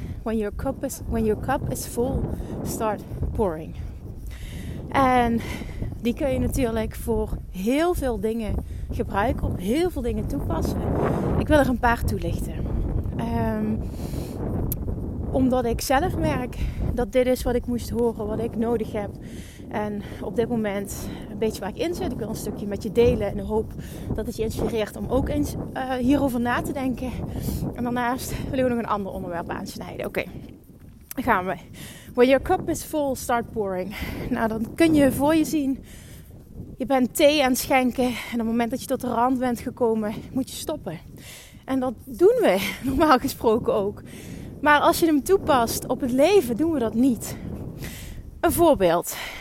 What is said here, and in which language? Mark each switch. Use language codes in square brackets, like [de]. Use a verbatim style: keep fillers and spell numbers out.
[en] When your cup is, when your cup is full, start pouring. [nl] En die kun je natuurlijk voor heel veel dingen gebruiken, op heel veel dingen toepassen. Ik wil er een paar toelichten. Um, omdat ik zelf merk dat dit is wat ik moest horen, wat ik nodig heb. En op dit moment een beetje waar ik in zit. Ik wil een stukje met je delen in de hoop dat het je inspireert om ook eens uh, hierover na te denken. En daarnaast wil ik nog een ander onderwerp aansnijden. Oké, okay. Dan gaan we. [en] When your cup is full, start pouring. [nl] Nou, dan kun je voor je zien. Je bent thee aan het schenken. En op het moment dat je tot de rand bent gekomen, moet je stoppen. En dat doen we normaal gesproken ook. Maar als je hem toepast op het leven, doen we dat niet. Een voorbeeld.